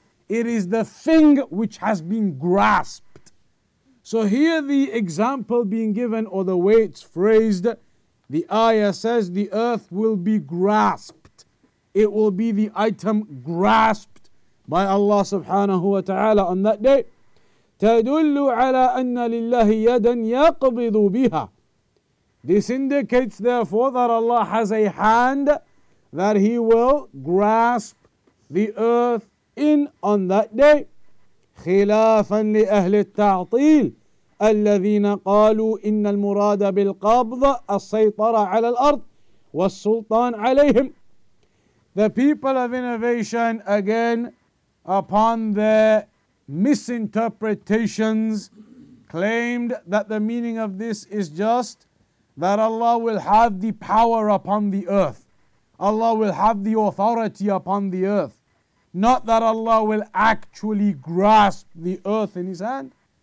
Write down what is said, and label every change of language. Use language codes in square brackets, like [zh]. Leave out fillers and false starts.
[en] It is the thing which has been grasped. So here the example being given, or the way it's phrased, the ayah says the earth will be grasped. It will be the item grasped by Allah subhanahu wa ta'ala on that day. [ar] تدل على أن لله يدا يقبض بها. [en] This indicates therefore that Allah has a hand that he will grasp the earth in on that day. [ar] خلافا لأهل التعطيل الذين قالوا إن المراد بالقبض السيطرة على الأرض والسلطان عليهم. [en] The people of innovation again upon their misinterpretations, claimed that the meaning of this is just that Allah will have the power upon the earth. Allah will have the authority upon the earth. Not that Allah will actually grasp the earth in His hand.